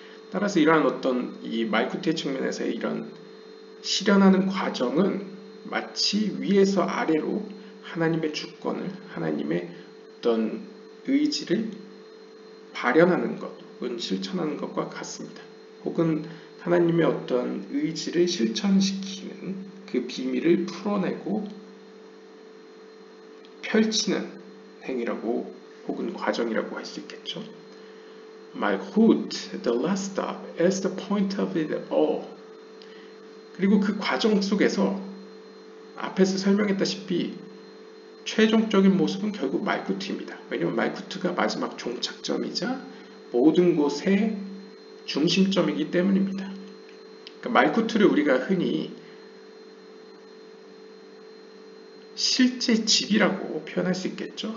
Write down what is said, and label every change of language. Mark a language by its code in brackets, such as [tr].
[ko] 따라서 이러한 어떤 이 말쿠트의 측면에서의 이런 실현하는 과정은 마치 위에서 아래로 하나님의 주권을, 하나님의 어떤 의지를 발현하는 것, 혹은 실천하는 것과 같습니다. 혹은 하나님의 어떤 의지를 실천시키는 그 비밀을 풀어내고 펼치는 행위라고 혹은 과정이라고 할수 있겠죠. [en] Malchut, the last stop, is the point of it all. [ko] 그리고 그 과정 속에서 앞에서 설명했다시피 최종적인 모습은 결국 말쿠트입니다. 왜냐하면 말쿠트가 마지막 종착점이자 모든 곳의 중심점이기 때문입니다. 그러니까 말쿠트를 우리가 흔히 실제 집이라고 표현할 수 있겠죠.